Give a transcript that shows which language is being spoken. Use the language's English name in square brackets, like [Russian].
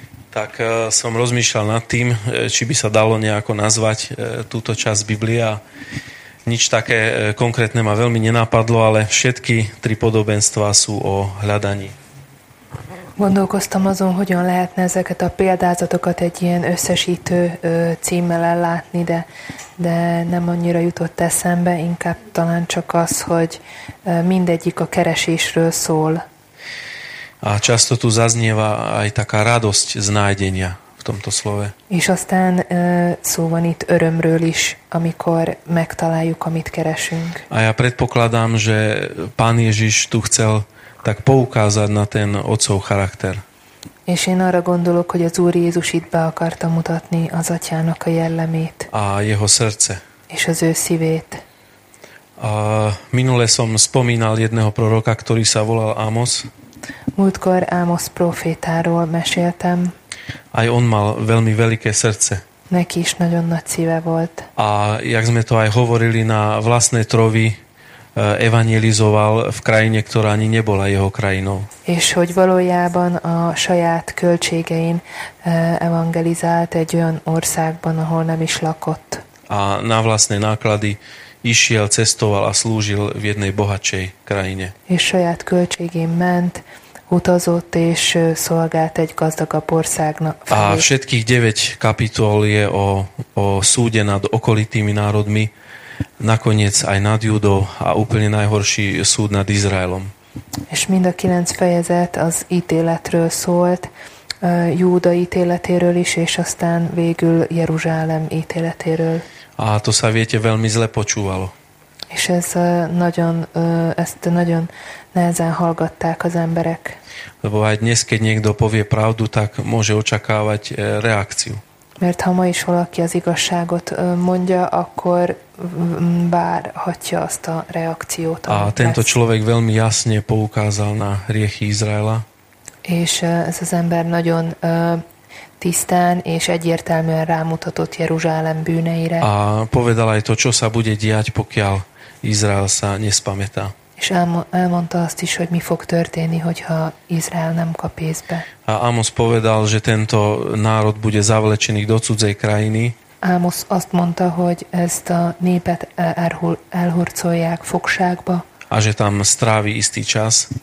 [Slovak] Tak som rozmýšľal nad tým, či by sa dalo nejako nazvať túto časť Biblie a nič také konkrétne ma veľmi nenapadlo, ale všetky tri podobenstva sú o hľadaní. [Hungarian] Gondolkoztam azon, hogyan lehetne ezeket a példázatokat egy ilyen összesítő címmel ellátni, de nem annyira jutott eszembe, inkább talán csak az, hogy mindegyik a keresésről szól. [Slovak] A často tu zaznieva aj taká radosť z nájdenia v tomto slove. [Hungarian] És aztán szó van itt örömről is, amikor megtaláljuk, amit keresünk. [Slovak] A ja predpokladám, že Pán Ježiš tu chcel tak poukázať na ten otcov charakter. [Hungarian] És én arra gondolok, hogy az Úr Jézus itt be akarta mutatni az atyának a jellemét. [Slovak] A jeho srdce. [Hungarian] És az ő szívét. [Slovak] A minule som spomínal jedného proroka, ktorý sa volal Amos. [Hungarian] Múltkor Amos profétáról meséltem. [Slovak] Aj on mal veľmi veľké srdce. [Hungarian] Neki is nagyon nagy szíve volt. [Slovak] A jak sme to aj hovorili, na vlastnej trovi evangelizoval v krajine, ktorá ani nebola jeho krajinou. [Hungarian] És hogy valójában a saját költségein evangelizált egy olyan országban, ahol nem is lakott. [Slovak] A na vlastné náklady išiel, cestoval a slúžil v jednej bohatšej krajine. [Hungarian] És saját költségén ment, utazott és szolgált egy gazdagabb országnak. [Slovak] A všetkých 9 kapitol je o súde nad okolitými národmi, nakoniec aj nad Judou a úplne najhorší súd nad Izraelom. [Hungarian] És mind a 9 fejezet az ítéletről szólt, Júda ítéletéről is, és aztán végül Jeruzsálem ítéletéről. [Slovak] A to sa, viete, veľmi zle počúvalo. [Hungarian] És ez nagyon, ezt nagyon nehezen hallgatták az emberek. [Slovak] Lebo aj dnes, keď niekto povie pravdu, tak môže očakávať reakciu. [Hungarian] Mert ha ma is valaki az igazságot mondja, akkor várhatja azt a reakciót. [Slovak] A tento človek veľmi jasne poukázal na hriechy Izraela. [Hungarian] És ez az ember nagyon tisztán és egyértelműen rámutatott Jeruzsálem bűneire. [Slovak] A povedal aj to, čo sa bude diať, pokiaľ Izrael sa nespamätá. [Hungarian] És elmondta azt is, hogy mi fog történni, hogyha Izrael nem kap észbe. [Slovak] A Amos povedal, že tento národ bude zavlečený do cudzej krajiny. [Hungarian] Amos azt mondta, hogy ezt a népet elhurcolják fogságba. [Slovak] a že tam strávi istý čas.